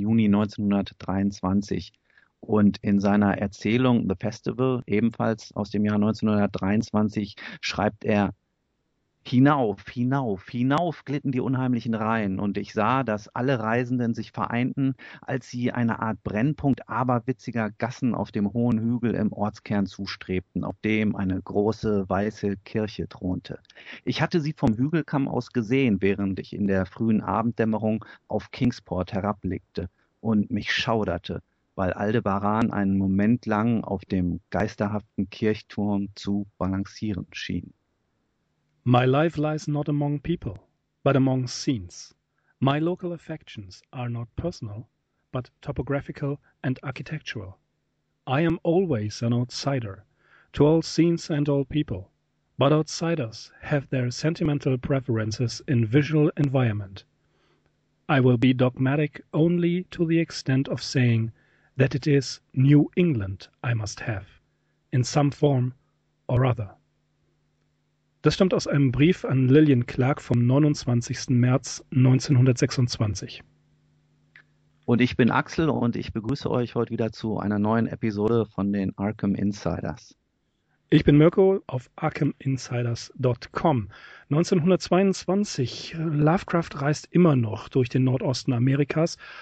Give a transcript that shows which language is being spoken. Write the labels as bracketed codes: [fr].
[de] Juni 1923. Und in seiner Erzählung The Festival, ebenfalls aus dem Jahr 1923, schreibt er: Hinauf, hinauf, hinauf glitten die unheimlichen Reihen, und ich sah, dass alle Reisenden sich vereinten, als sie eine Art Brennpunkt aberwitziger Gassen auf dem hohen Hügel im Ortskern zustrebten, auf dem eine große weiße Kirche thronte. Ich hatte sie vom Hügelkamm aus gesehen, während ich in der frühen Abenddämmerung auf Kingsport herabblickte, und mich schauderte, weil Aldebaran einen Moment lang auf dem geisterhaften Kirchturm zu balancieren schien. [en] My life lies not among people, but among scenes. My local affections are not personal, but topographical and architectural. I am always an outsider to all scenes and all people, but outsiders have their sentimental preferences in visual environment. I will be dogmatic only to the extent of saying that it is New England I must have, in some form or other. [de] Das stammt aus einem Brief an Lillian Clark vom 29. März 1926. Und ich bin Axel und ich begrüße euch heute wieder zu einer neuen Episode von den Arkham Insiders. Ich bin Mirko auf ArkhamInsiders.com. 1922, Lovecraft reist immer noch durch den Nordosten Amerikas.